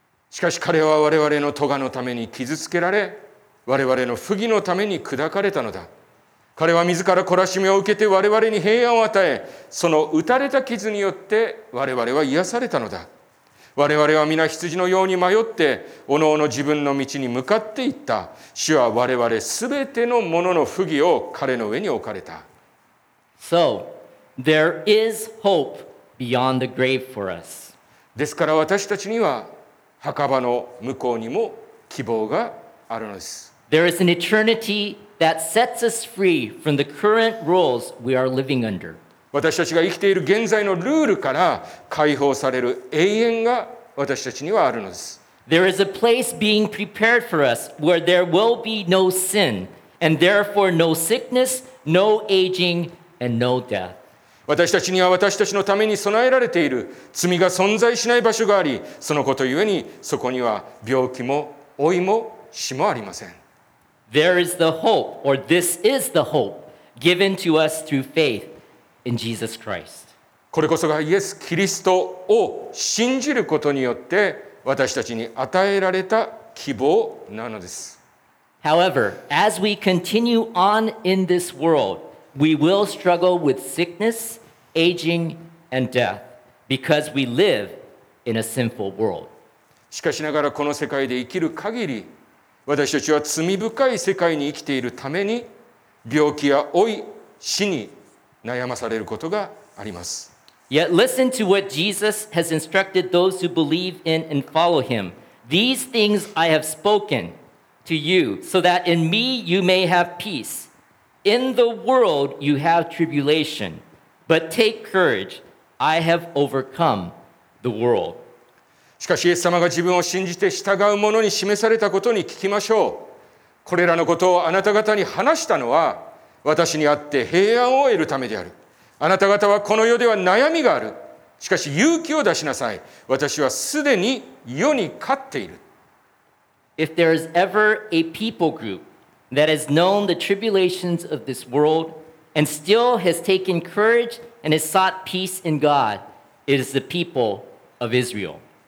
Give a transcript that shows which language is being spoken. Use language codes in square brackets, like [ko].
[ja] しかし彼は我々の咎のために傷つけられ、我々の不義のために砕かれたのだ。彼は自ら懲らしめを受けて我々に平安を与え、その打たれた傷によって我々は癒されたのだ。我々は皆羊のように迷って、おのおの自分の道に向かっていった。主は我々すべてのものの不義を彼の上に置かれた。 [en] So, There is hope beyond the grave for us. [ja] ですから私たちには墓場の向こうにも希望があるのです。 [en] There is an eternity that sets us free from the current rules we are living under. [ja] 私たちが生きている現在のルールから解放される永遠が私たちにはあるのです。 [en] There is a place being prepared for us where there will be no sin, and therefore no sickness, no aging, and no death. [ja] 私たちには私たちのために備えられている罪が存在しない場所があり、そのことゆえにそこには病気も老いも死もありません。 [en] There is the hope, or this is the hope, given to us through faith in Jesus Christ. [ja] これこそがイエス・キリストを信じることによって私たちに与えられた希望なのです。 [en] However, as we continue on in this world,We will struggle with sickness, aging, and death because we live in a sinful world. [ja] しかしながらこの世界で生きる限り、私たちは罪深い世界に生きているために、病気や老い、死に悩まされることがあります。 [en] Yet listen to what Jesus has instructed those who believe in and follow him. These things I have spoken to you so that in me you may have peace. In the world you have tribulation, but take courage. I have overcome the world. [ja] しかしイエス様が自分を信じて従う者に示されたことに聞きましょう。これらのことをあなた方に話したのは、私にあって平安を得るためである。あなた方はこの世では悩みがある。しかし勇気を出しなさい。私はすでに世に勝っている。 [en] If there is ever a people group,That has known the tribulations of this world and still has taken courage and has sought peace in God, it is the people of Israel.